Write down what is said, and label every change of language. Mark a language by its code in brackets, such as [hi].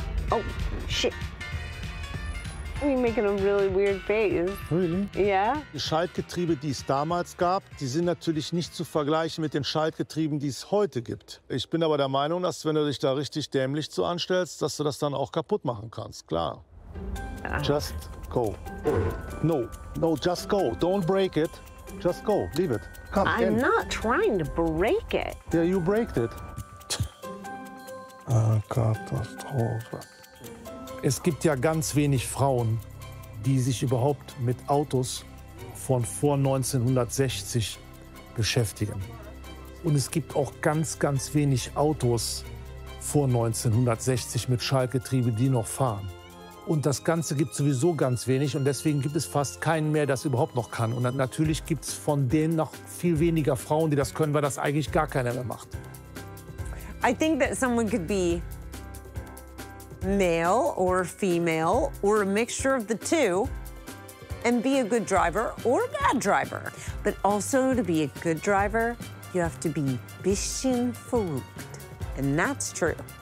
[en] Oh, shit. You're making a really weird face. Really? Yeah? [de] Die Schaltgetriebe, die es damals gab, die sind natürlich nicht zu vergleichen mit den Schaltgetrieben, die es heute gibt. Ich bin aber der Meinung, dass wenn du dich da richtig dämlich zu anstellst, dass du das dann auch kaputt machen kannst. Klar. [en] Just go. No, just go. Don't break it. Just go, leave it. Come, I'm end. Not trying to break it. Yeah, you braked it. [de] Katastrophe. Es gibt ja ganz wenig Frauen, die sich überhaupt mit Autos von vor 1960 beschäftigen. Und es gibt auch ganz, ganz wenig Autos vor 1960 mit Schaltgetriebe, die noch fahren. Und das Ganze gibt sowieso ganz wenig. Und deswegen gibt es fast keinen mehr, das überhaupt noch kann. Und natürlich gibt es von denen noch viel weniger Frauen, die das können, weil das eigentlich gar keiner mehr macht. [en] I think that someone could be male or female or a mixture of the two and be a good driver or a bad driver. But also to be a good driver, you have to be [de] bisschen verrückt. [en] And that's true.